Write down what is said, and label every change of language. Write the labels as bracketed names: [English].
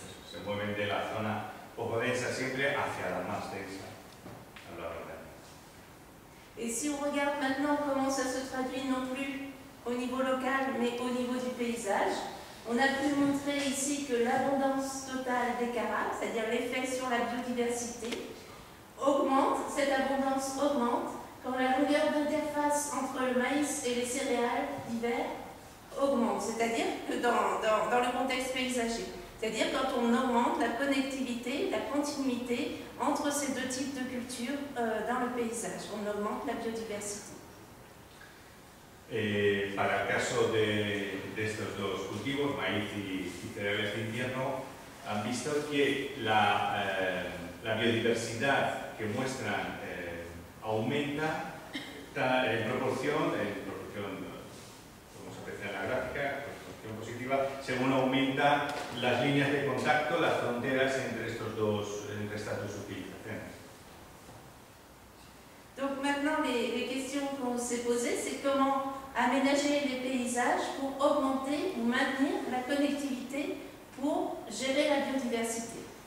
[Spanish] Se mueven de la zona poco densa siempre hacia la más densa. A lo largo del año. [French] Y si on regarde maintenant comment ça se traduit non plus au niveau local, mais au niveau du paysage. On a pu montrer ici que l'abondance totale des carabes, c'est-à-dire l'effet sur la biodiversité, augmente, cette abondance augmente quand la longueur d'interface entre le maïs et les céréales d'hiver augmente, c'est-à-dire que dans le contexte paysager, c'est-à-dire quand on augmente la connectivité, la continuité entre ces deux types de cultures dans le paysage, on augmente la biodiversité. [Spanish] Para el caso de estos dos cultivos, maíz y cereales de invierno, han visto que la biodiversidad que muestran aumenta en proporción, vamos a apreciar la gráfica, proporción positiva, según aumenta las líneas de contacto, las fronteras entre estas dos utilizaciones. [French] Donc maintenant, les questions qu'on s'est posées, c'est comment aménager les paysages pour augmenter ou maintenir la connectivité pour gérer la biodiversité.